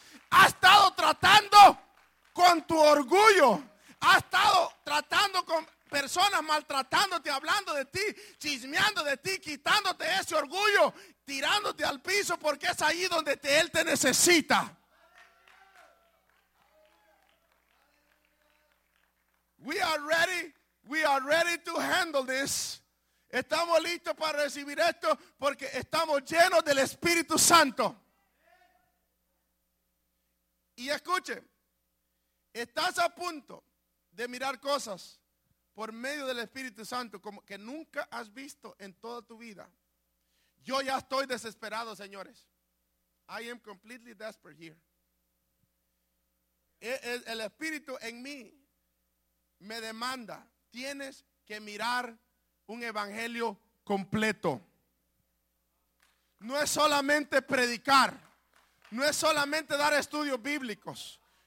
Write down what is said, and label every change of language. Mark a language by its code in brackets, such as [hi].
[es] Has estado tratando con tu orgullo. Has estado tratando con personas maltratándote, hablando de ti, chismeando de ti, quitándote ese orgullo, tirándote al piso porque es ahí donde Él te necesita. [en] We are ready to handle this. [es] Estamos listos para recibir esto porque estamos llenos del Espíritu Santo. Y escuche, estás a punto de mirar cosas por medio del Espíritu Santo como que nunca has visto en toda tu vida. Yo ya estoy desesperado, señores. [en] I am completely desperate here. [es] El Espíritu en mí me demanda, tienes que mirar un evangelio completo. No es solamente predicar. No es solamente dar estudios bíblicos.